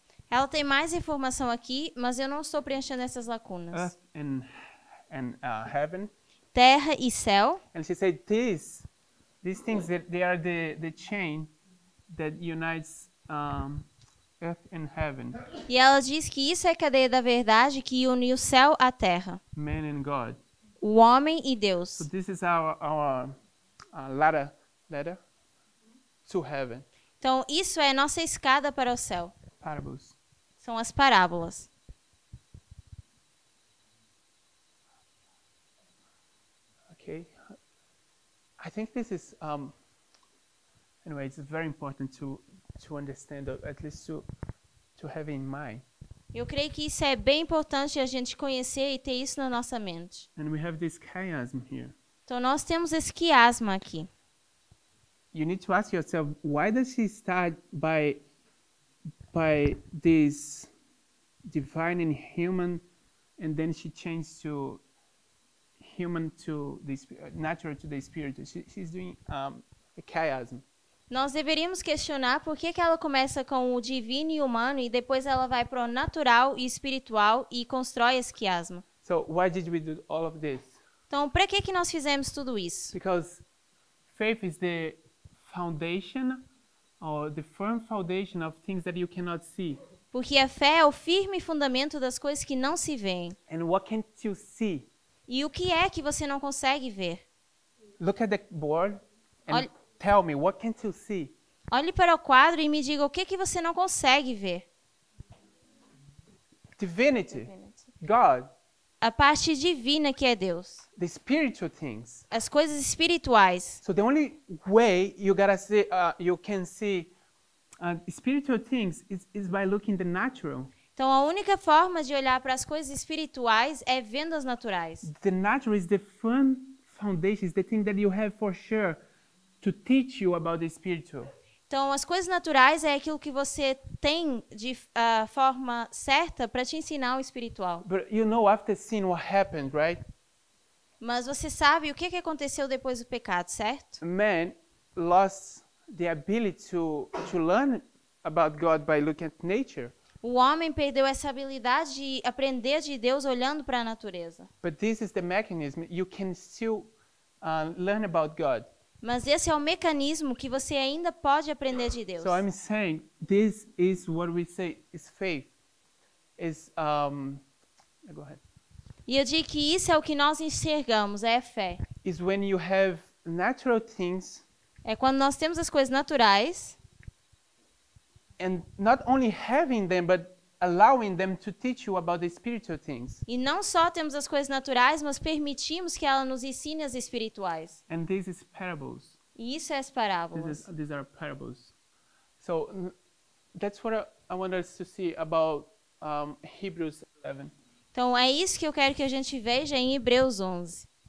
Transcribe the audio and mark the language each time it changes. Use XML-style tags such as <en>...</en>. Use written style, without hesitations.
<pt>Ela tem mais informação aqui, mas eu não estou preenchendo essas lacunas.</pt> <en>Earth and heaven.</en> <pt>Terra e céu.</pt> <en>And she said these things that they are the chain that unites earth and heaven.</en> <pt>E ela diz que isso é a cadeia da verdade que une o céu à terra.</pt> <en>Man and God.</en> <pt>O homem e Deus.</pt> <en>So this is our ladder to heaven.</en> <pt>Então isso é a nossa escada para o céu.</pt> <en>Parables.</en> <pt>São as parábolas.</pt> <en>Okay. I think this is anyway, it's very important to understand, or at least to have in mind.</en> <pt>Eu creio que isso é bem importante a gente conhecer e ter isso na nossa mente.</pt> <en>And we have this chiasm here.</en> <pt>Então nós temos esse chiasma aqui.</pt> <en>You need to ask yourself, why does he start by this divine and human, and then she changed to human to the natural to the spiritual? She's doing a chiasm.</en> <pt>Nós deveríamos questionar por que ela começa com o divino e humano e depois ela vai para o natural e espiritual e constrói esse quiasma.</pt> <en>So why did we do all of this?</en> <pt>Então, para que nós fizemos tudo isso?</pt> <en>Because faith is the foundation or the firm foundation of things that you cannot see.</en> <pt>Porque a fé é o firme fundamento das coisas que não se veem.</pt> <en>And what can't you see?</en> <pt>E o que é que você não consegue ver?</pt> <en>Look at the board and Tell me, what can't you see?</en> <pt>Olhe para o quadro e me diga o que que você não consegue ver.</pt> <en>Divinity. God.</en> <pt>A parte divina que é Deus.</pt> <en>The spiritual things.</en> <pt>As coisas espirituais.</pt> <en>So the only way you gotta see, you can see spiritual things is by looking the natural.</en> <pt>Então a única forma de olhar para as coisas espirituais é vendo as naturais.</pt> <en>The natural is the firm foundation, is the thing that you have for sure to teach you about the spiritual.</en> <pt>Então, as coisas naturais é aquilo que você tem de forma certa para te ensinar o espiritual.</pt> <en>But you know after sin what happened, right?</en> <pt>Mas você sabe o que aconteceu depois do pecado, certo?</pt> <en>Man lost the ability to learn about God by looking at nature.</en> <pt>O homem perdeu essa habilidade de aprender de Deus olhando para a natureza.</pt> <en>But this is the mechanism you can still learn about God.</en> <pt>Mas esse é o mecanismo que você ainda pode aprender de Deus.</pt> <en>So I'm saying this is what we say is faith. Is go ahead.</en> <pt>E eu digo que isso é o que nós enxergamos, é a fé.</pt> <en>Is when you have natural things.</en> <pt>É quando nós temos as coisas naturais.</pt> <en>And not only having them but allowing them to teach you about the spiritual things.</en> <pt>E não só temos as coisas naturais, mas permitimos que ela nos ensine as espirituais.</pt> <en>And this is parables.</en> <pt>E isso é as parábolas.</pt> <en>These are parables. So that's what I want us to see about Hebrews 11.</en> <pt>Então é isso que eu quero que a gente veja em Hebreus 11.</pt>